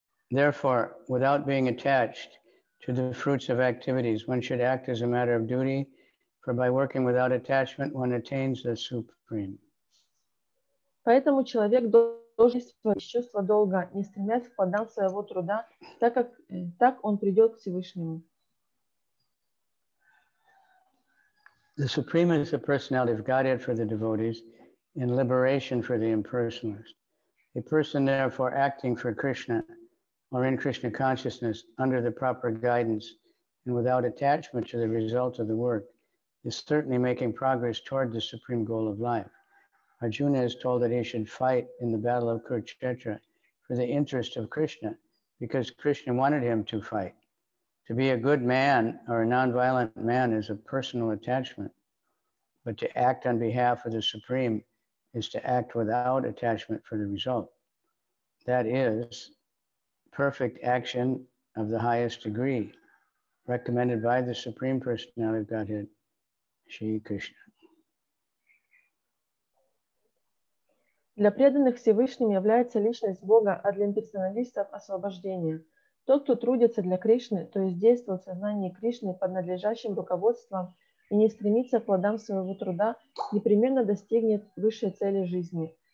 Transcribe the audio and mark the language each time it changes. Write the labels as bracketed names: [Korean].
[English] Therefore, without being attached to the fruits of activities, one should act as a matter of duty, for by working without attachment, one attains the Supreme. [Russian] Поэтому человек должен действовать из чувства долга, не стремясь к плодам своего труда, так как так он придет к Всевышнему. [English] The Supreme is the personality of Godhead for the devotees, in liberation for the impersonalist. A person therefore acting for Krishna or in Krishna consciousness under the proper guidance and without attachment to the result of the work is certainly making progress toward the supreme goal of life. Arjuna is told that he should fight in the battle of Kurukshetra for the interest of Krishna, because Krishna wanted him to fight. To be a good man or a nonviolent man is a personal attachment, but to act on behalf of the Supreme is to act without attachment for the result. That is perfect action of the highest degree, recommended by the Supreme Personality of Godhead, Shri Krishna. [Russian] Для преданных Всевышним является личность Бога, а для имперсоналистов – освобождение. Тот, кто трудится для Кришны, то есть действует в сознании Кришны под надлежащим руководством и не стремится к плодам своего труда, непременно достигнет высшей цели жизни.